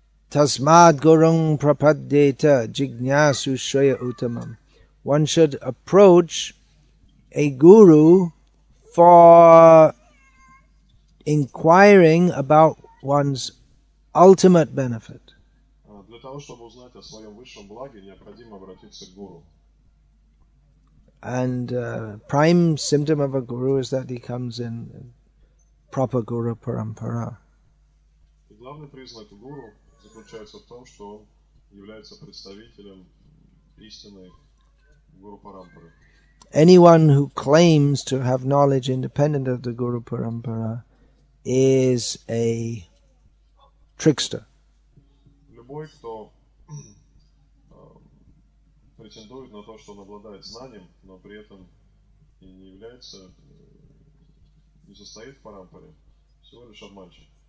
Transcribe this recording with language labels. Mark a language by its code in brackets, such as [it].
[sa] Tasmad gurum prapaddeta jignyasu shreya uttamam. [en] One should approach a guru for inquiring about one's ultimate benefit. [ru] Для того, чтобы узнать о своем высшем благе, необходимо обратиться к гуру. [en] And prime symptom of a guru is that he comes in proper guru parampara. [ru] И главный признак гуру заключается в том, что он является представителем истинной гуру парампары. [en] Anyone who claims to have knowledge independent of the guru parampara is a trickster. [ru] Любой, кто претендует на то, что он обладает знанием, но при этом и не является, не состоит в парампаре, всего лишь обманщик.